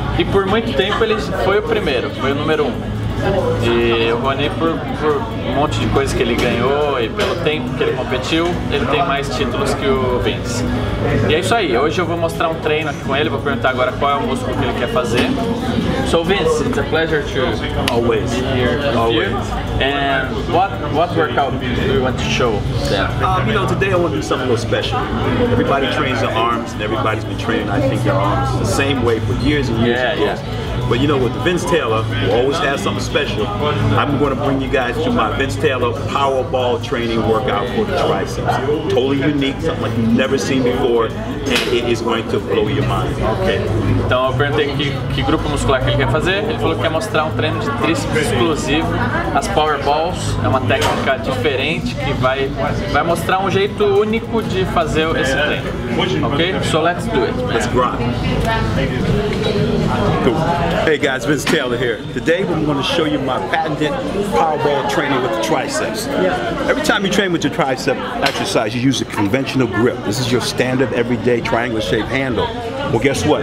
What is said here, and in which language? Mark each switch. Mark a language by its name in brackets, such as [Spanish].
[Portuguese] E por muito tempo ele foi o primeiro, foi o número um. E o Ronnie, por um monte de coisa que ele ganhou e pelo tempo que ele competiu, ele tem mais títulos que o Vince. E é isso aí, hoje eu vou mostrar um treino aqui com ele, vou perguntar agora qual é o músculo que ele quer fazer. [English] So Vince, it's a pleasure to always be here. Always. And what workout do you want to show? Yeah. You know, today I want to do something a little special. Everybody trains their arms and everybody's been training, I think, their arms the same way for years and years. Yeah, yeah. But you know, with Vince Taylor, who always has something special, I'm going to bring you guys to my Vince Taylor Power Ball training workout for the triceps. Totally unique, something like you've never seen before, and it is going to blow your mind. Okay. [Portuguese] Então eu perguntei que grupo muscular que ele quer fazer. Ele falou que quer mostrar um treino de tríceps exclusivo. As Power Balls é uma técnica diferente que vai mostrar um jeito único de fazer esse treino. [English] Ok? So let's do it. Let's grind. Hey guys, Vince Taylor here. Today I'm going to show you my patented power ball training with the triceps. Yeah. Every time you train with your tricep exercise, you use a conventional grip. This is your standard everyday triangular shaped handle. Well, guess what?